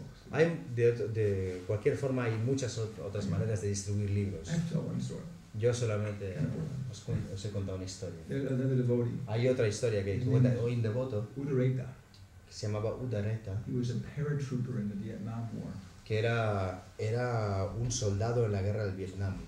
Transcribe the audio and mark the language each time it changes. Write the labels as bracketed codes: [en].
[es] Hay de cualquier forma, hay muchas otras maneras de distribuir libros. Yo solamente os he contado una historia. Hay otra historia que cuenta un devoto que se llamaba Udareta. [en] He was a paratrooper in the Vietnam War. [es] Que era un soldado en la guerra del Vietnam.